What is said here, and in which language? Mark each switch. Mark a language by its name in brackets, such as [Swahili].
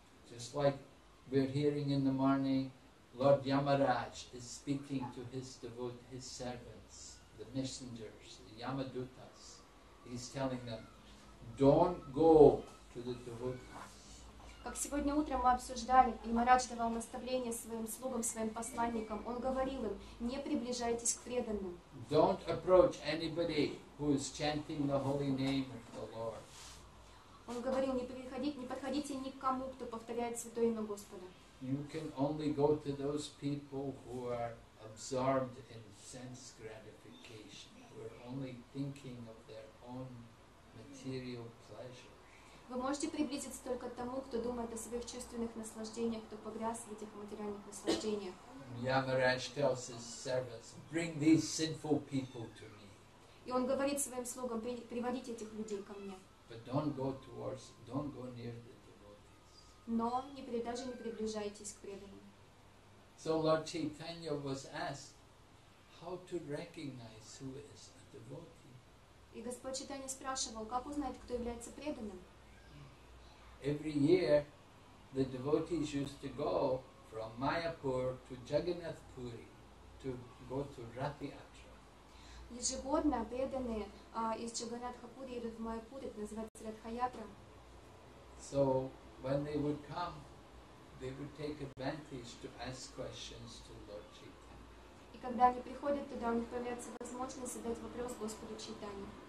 [English] Just like we're hearing in the morning, Lord Yamaraj is speaking to his devotees, his servants, the messengers, the Yamadutas. He's telling them, don't go to the devotees. [Russian] Как сегодня утром мы обсуждали, Yamaraj давал наставление своим слугам, своим посланникам. Он говорил им, не приближайтесь к преданным. [English] Don't approach anybody who is chanting the holy name of the Lord. [Russian] Он говорил, не подходите ни к кому, кто повторяет святое имя Господа. [English] You can only go to those people who are absorbed in sense gratification, who are only thinking of their own material pleasure. [Russian] Вы можете приблизиться только к тому, кто думает о своих чувственных наслаждениях, кто погряз в этих материальных наслаждениях. [English] Yamaraj tells his servants, bring these sinful people to me. [Russian] И он говорит своим слугам, приводите этих людей ко мне. [English] But don't go near the devotees. So Lord Chaitanya was asked how to recognize who is a devotee. [Russian] И Господь Чайтанья спрашивал, как узнать, кто является преданным? [English] Every year, the devotees used to go from Mayapur to Jagannath Puri to go to Rath Yatra. [Russian] Ежегодно преданные из Джаганатхапури идут в Майяпур, это называется Радхаятра. [English] So when they would come, they would take advantage to ask questions to Lord Chaitanya. [Russian] И когда они приходят туда, у них появляется возможность задать вопрос Господу Чайтанье.